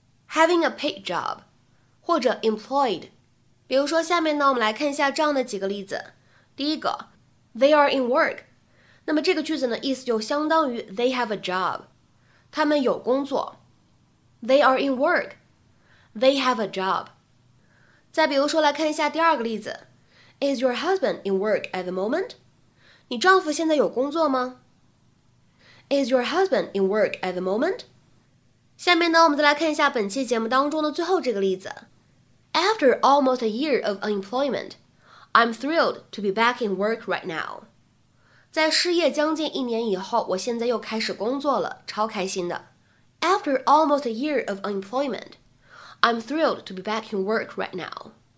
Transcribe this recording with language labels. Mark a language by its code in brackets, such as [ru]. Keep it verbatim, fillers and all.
[en] Having a paid job。 [zh] 或者 employed， 比如说下面呢，我们来看一下这样的几个例子。第一个 [en] ，they are in work， [zh] 那么这个句子呢，意思就相当于 [en] they have a job， [zh] 他们有工作。 [en] They are in work. They have a job. [zh] 再比如说，来看一下第二个例子。 [en] Is your husband in work at the moment? [zh] 你丈夫现在有工作吗？ [en] Is your husband in work at the moment? [zh] 下面呢，我们再来看一下本期节目当中的最后这个例子。 [en] After almost a year of unemployment, I'm thrilled to be back in work right now. [zh] 在失业将近一年以后，我现在又开始工作了，超开心的。 [en] After almost a year of unemployment, I'm thrilled to be back in work right now.